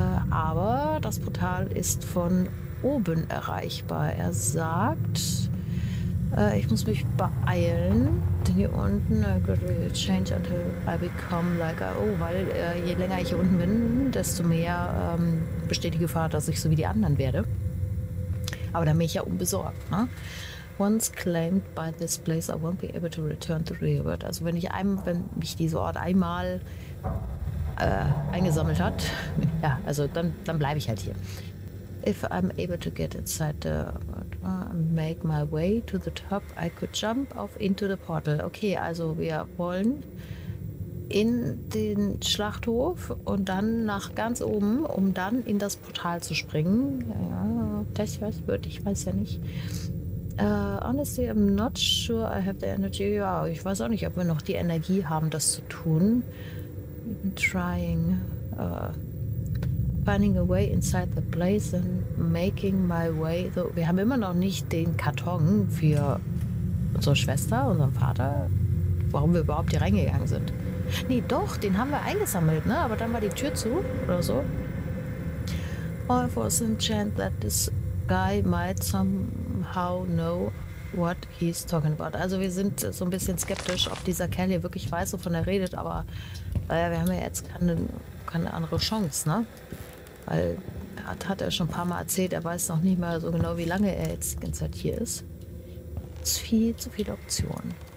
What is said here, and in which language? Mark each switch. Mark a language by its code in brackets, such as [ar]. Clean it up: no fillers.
[de] Aber das Portal ist von oben erreichbar. Er sagt, ich muss mich beeilen. Hier unten, [en] change until I become like a, [de] oh, weil je länger ich hier unten bin, desto mehr besteht die Gefahr, dass ich so wie die anderen werde. Aber dann bin ich ja unbesorgt, ne? [en] Once claimed by this place, I won't be able to return to the world. [de] Also wenn ich wenn mich dieser Ort einmal eingesammelt hat, ja, also dann bleibe ich halt hier. [en] If I'm able to get inside make my way to the top, I could jump off into the portal. [de] Okay, also wir wollen in den Schlachthof und dann nach ganz oben, um dann in das Portal zu springen. Ja, das was wird, ich weiß ja nicht. [en] Honestly, I'm not sure I have the energy. [de] Ja, ich weiß auch nicht, ob wir noch die Energie haben, das zu tun. [en] Even trying. Finding a way inside the place and making my way. [de] So, wir haben immer noch nicht den Karton für unsere Schwester, unseren Vater, warum wir überhaupt hier reingegangen sind. Nee, doch, den haben wir eingesammelt, ne? Aber dann war die Tür zu oder so. [en] All for a chance that this guy might somehow know what he's talking about. [de] Also wir sind so ein bisschen skeptisch, ob dieser Kerl hier wirklich weiß, wovon er redet, aber naja, wir haben ja jetzt keine andere Chance, ne? Weil hat er schon ein paar Mal erzählt, er weiß noch nicht mal so genau, wie lange er jetzt die ganze Zeit hier ist. Es ist viel zu viele Optionen.